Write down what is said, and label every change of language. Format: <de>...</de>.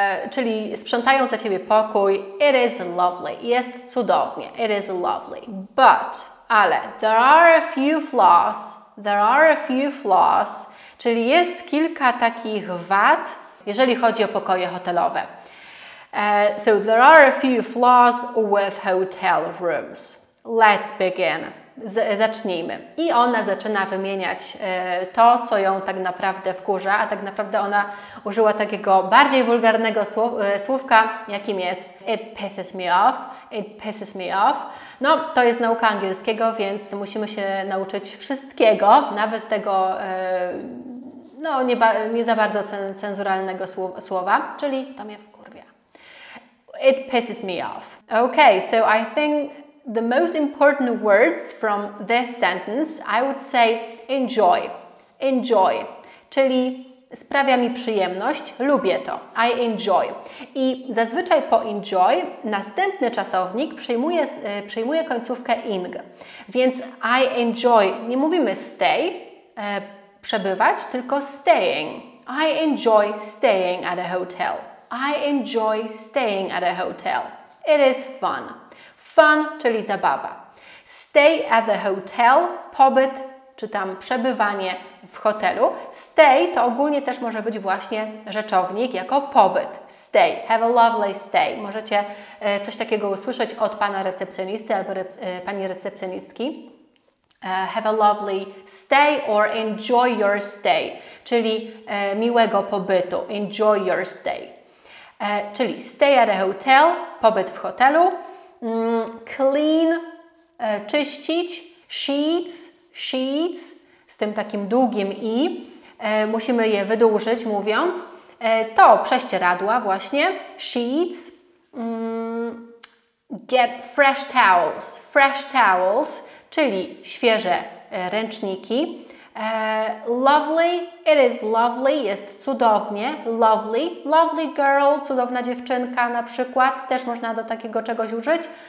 <pl>Czyli sprzątają za ciebie pokój.</pl> <en>It is lovely.</en> <pl>Jest cudownie.</pl> <en>It is lovely. But, ale, there are a few flaws. There are a few flaws.</en> <pl>Czyli jest kilka takich wad, jeżeli chodzi o pokoje hotelowe.</pl> <en>So there are a few flaws with hotel rooms. Let's begin.</en> <pl>Zacznijmy. I ona zaczyna wymieniać to, co ją tak naprawdę wkurza, a tak naprawdę ona użyła takiego bardziej wulgarnego słówka, jakim jest</pl> <en>it pisses me off. It pisses me off.</en> <pl>No, to jest nauka angielskiego, więc musimy się nauczyć wszystkiego, nawet tego nie za bardzo cenzuralnego słowa, czyli to mnie wkurwia.</pl> <en>It pisses me off. Okay, so I think the most important words from this sentence, I would say enjoy. Enjoy.</en> <pl>Czyli sprawia mi przyjemność, lubię to.</pl> <en>I enjoy.</en> <pl>I zazwyczaj po enjoy następny czasownik przyjmuje końcówkę ing. Więc I enjoy, nie mówimy stay, przebywać, tylko staying.</pl> <en>I enjoy staying at a hotel. I enjoy staying at a hotel.</en> <pl>It is fun. Fun, czyli zabawa.</pl> <en>Stay at the hotel,</en> <pl>pobyt, czy tam przebywanie w hotelu. Stay to ogólnie też może być właśnie rzeczownik jako pobyt.</pl> <en>Stay, have a lovely stay.</en> <pl>Możecie coś takiego usłyszeć od pana recepcjonisty albo pani recepcjonistki.</pl> <en>Have a lovely stay or enjoy your stay.</en> <pl>Czyli miłego pobytu,</pl> <en>enjoy your stay.</en> <pl>Czyli</pl> <en>stay at a hotel,</en> <pl>pobyt w hotelu. Clean, czyścić, sheets, z tym takim długim i, musimy je wydłużyć mówiąc, to prześcieradła właśnie, sheets,</pl> <en>get fresh towels,</en> <pl>czyli świeże ręczniki, lovely,</pl> <en>it is lovely,</en> <pl>jest cudownie, lovely,</pl> <en>lovely girl,</en> <pl>cudowna dziewczynka na przykład, też można do takiego czegoś użyć.</pl>